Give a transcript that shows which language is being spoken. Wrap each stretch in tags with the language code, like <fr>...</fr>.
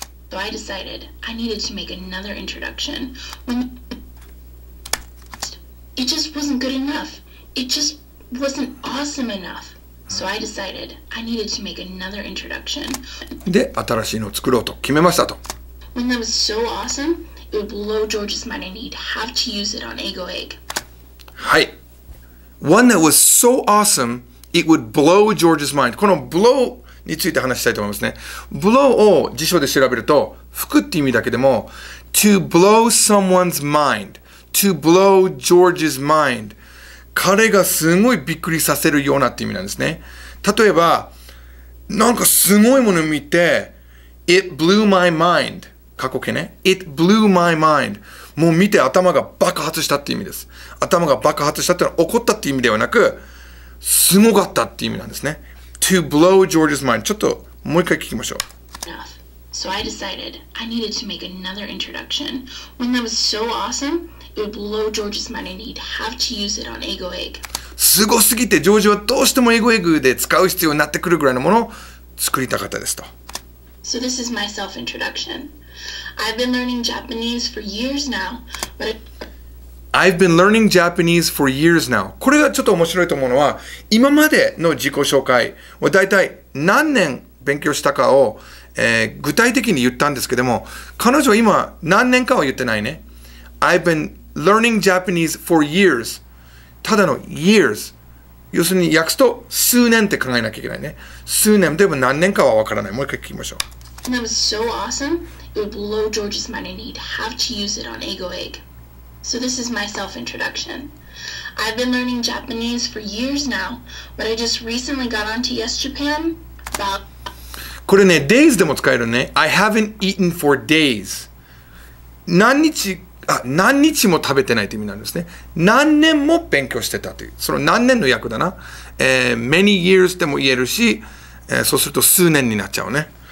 <en>So I decided I needed to make another introduction When It just wasn't good enough It just wasn't awesome enough So I decided I needed to make another introduction</en> <ja>で新しいのを作ろうと決めましたと。</ja> <en>When that was so awesome It would blow George's mind and he'd have to use it on Ego Egg.</en> <ja>はい。</ja> <en>One that was so awesome, it would blow George's mind.</en> <ja>この</ja> <en>blow</en> <ja>について話したいと思いますね。blow を辞書で調べると吹くって意味だけでも</ja> <en>to blow someone's mind to blow George's mind</en> <ja>彼がすごいびっくりさせるようなって意味なんですね。例えばなんかすごいもの見て</ja> <en>it blew my mind</en> <ja>過去形ね it blew my mind もう見て頭が爆発したって意味です。頭が爆発したってのは怒ったって意味ではなくすごかったって意味なんですね。</ja> <en>To blow George's mind</en> <ja>ちょっともう一回聞きましょう。</ja> <en>So I decided I needed to make another introduction. When that was so awesome, it would blow George's mind and he'd have to use it on Ego Egg.</en> <ja>すごすぎてジョージはどうしてもエゴエグで使う必要になってくるぐらいのものを作りたかったですと。</ja> <en>So this is my self-introduction. I've been learning Japanese for years now, but I've been learning Japanese for years now.</en> <ja>これがちょっと面白いと思うのは、今までの自己紹介はだいたい何年勉強したかを、具体的に言ったんですけども、彼女は今何年かは言ってないね。</ja> <en>I've been learning Japanese for years.</en> <ja>ただの years。要するに訳すと数年って考えなきゃいけないね。数年でも何年かはわからない。もう一回聞きましょう。</ja> <en>That was so awesome. It would blow George's mind and he'd have to use it on Ego Egg. So this is my self-introduction. I've been learning Japanese for years now, but I just recently got onto Yes Japan about...</en> <ja>これね、days でも使えるね。</ja> <en>I haven't eaten for days.</en> <ja>何日も食べてないって意味なんですね。何年も勉強してたという。その何年の訳だな。</ja> <en>Many years</en> <ja>でも言えるし、そうすると数年になっちゃうね。</ja>